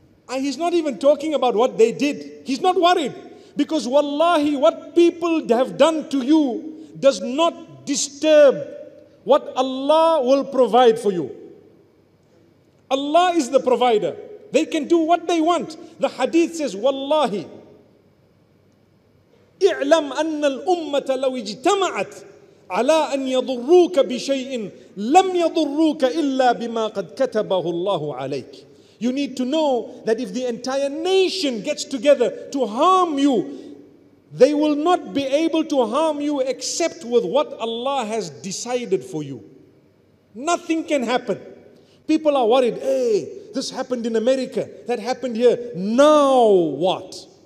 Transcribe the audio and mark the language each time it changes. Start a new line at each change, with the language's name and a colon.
English: He's not even talking about what they did. He's not worried. Because wallahi, what people have done to you does not disturb what Allah will provide for you. Allah is the provider. They can do what they want. The hadith says,
Arabic: wallahi, اعلم أن الأمة لو اجتمعت على أن يضروك بشيء لم يضروك إلا بما قد كتبه الله عليك.
English: You need to know that if the entire nation gets together to harm you, they will not be able to harm you except with what Allah has decided for you. Nothing can happen. People are worried, hey, this happened in America, that happened here, now what?